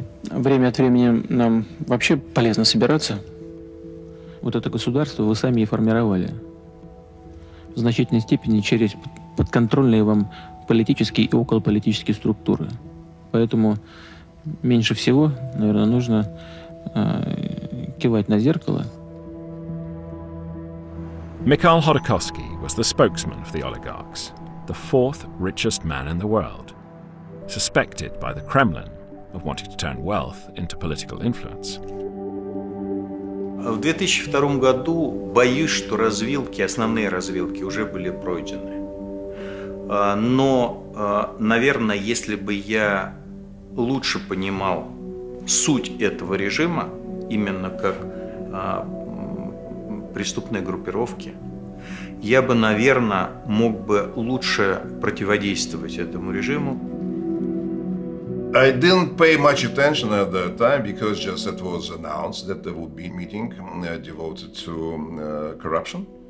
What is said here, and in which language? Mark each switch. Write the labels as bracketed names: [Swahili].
[Russian] Время от времени нам вообще полезно собираться. Вот это государство вы сами и формировали. В значительной степени через подконтрольные вам политические и околополитические структуры. Поэтому меньше всего, наверное, нужно кивать на зеркало. [English] Mikhail Khodorkovsky was the spokesman for the oligarchs, the fourth richest man in the world, suspected by the Kremlin of wanting to turn wealth into political influence. [Russian] В 2002 году боюсь, что развилки, основные развилки уже были пройдены. Но, наверное, если бы я лучше понимал суть этого режима, именно как преступной группировки, я бы, наверное, мог бы лучше противодействовать этому режиму. [English] I didn't pay much attention at the time because just it was announced that there would be a meeting devoted to corruption.